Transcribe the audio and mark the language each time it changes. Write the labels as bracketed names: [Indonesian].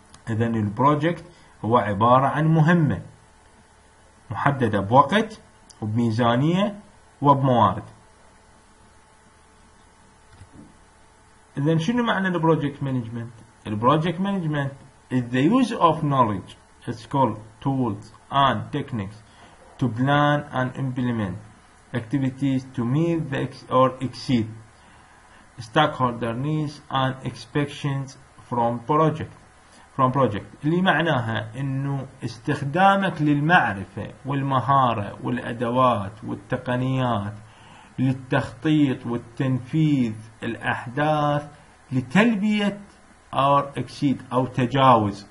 [Arabic] اذن البروجكت هو عبارة عن مهمة محددة بوقت وبميزانية وبموارد. إذن شنو معنى البروجكت مانجمنت؟ [English] البروجكت management is the use of knowledge, it's called tools and techniques to plan and implement activities to meet the or exceed stakeholder needs and expectations from project. [Arabic] اللي معناها انه استخدامك للمعرفة والمهارة والادوات والتقنيات للتخطيط والتنفيذ الاحداث لتلبية [English] or exceed [Arabic] او تجاوز.